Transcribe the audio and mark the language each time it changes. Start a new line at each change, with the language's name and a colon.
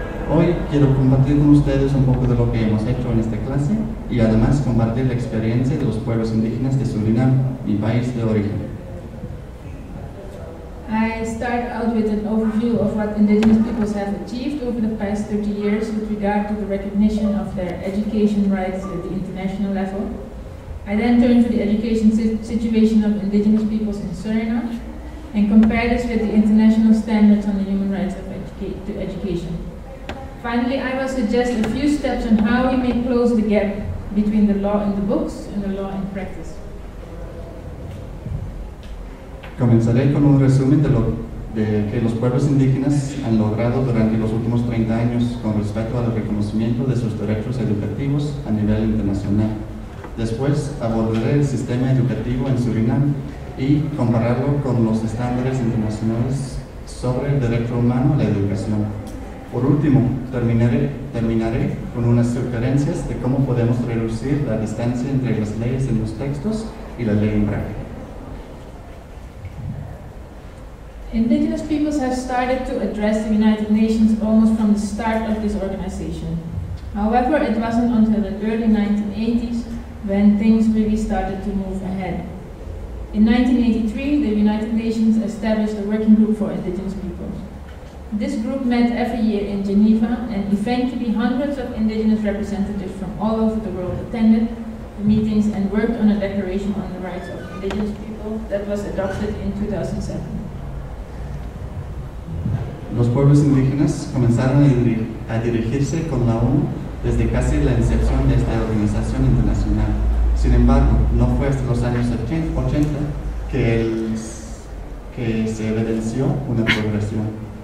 Spanish: Hoy quiero compartir con ustedes un poco de lo que hemos hecho en esta clase y además compartir la experiencia de los pueblos indígenas de Surinam, mi país de origen.
English: I start out with an overview of what indigenous peoples have achieved over the past 30 years with regard to the recognition of their education rights at the international level. I then turn to the education situation of indigenous peoples in Suriname and compare this with the international standards on the human rights of education. Finally, I will suggest a few steps on how we may close the gap between the law in the books and the law in practice.
Spanish: Comenzaré con un resumen de lo de que los pueblos indígenas han logrado durante los últimos 30 años con respecto al reconocimiento de sus derechos educativos a nivel internacional. Después, abordaré el sistema educativo en Surinam y compararlo con los estándares internacionales sobre el derecho humano a la educación. Por último, terminaré con unas sugerencias de cómo podemos reducir la distancia entre las leyes en los textos y la ley en práctica.
English: Indigenous peoples have started to address the United Nations almost from the start of this organization. However, it wasn't until the early 1980s when things really started to move ahead. In 1983, the United Nations established a working group for indigenous peoples. This group met every year in Geneva, and eventually hundreds of indigenous representatives from all over the world attended the meetings and worked on a declaration on the rights of indigenous people that was adopted in 2007.
Spanish: Los pueblos indígenas comenzaron a dirigirse con la ONU desde casi la inception de esta organización internacional. Sin embargo, no fue hasta los años 80 que se evidenció una progresión.